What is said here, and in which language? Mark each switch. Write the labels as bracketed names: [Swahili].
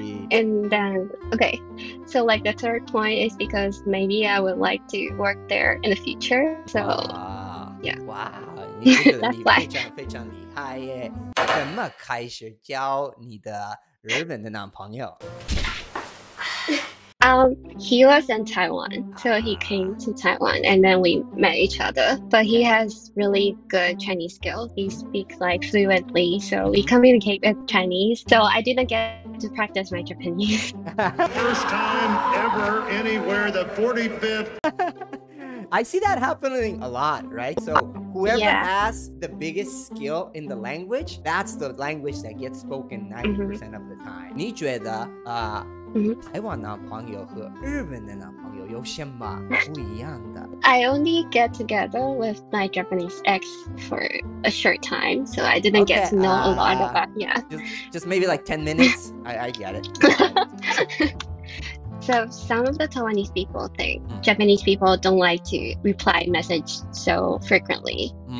[English] And then, okay, so like the third point is because maybe I would like to work there in the future. So, yeah. Wow, that's why. [Chinese] 非常厉害耶！怎么开始交你的日本的男朋友？ [English] He was in Taiwan, so he came to Taiwan, and then we met each other. But he has really good Chinese skills. He speaks like fluently, so we communicate with Chinese. So I didn't get to practice my Japanese. First time ever anywhere, the 45th. I see that happening a lot, right? So whoever has the biggest skill in the language, that's the language that gets spoken 90% of the time. [Chinese] 你觉得台湾男朋友和日本的男朋友有什么不一样的？ [English] I only get together with my Japanese ex for a short time, so I didn't get to know a lot about, yeah. Just maybe like 10 minutes? I get it. So some of the Taiwanese people think Japanese people don't like to reply message so frequently.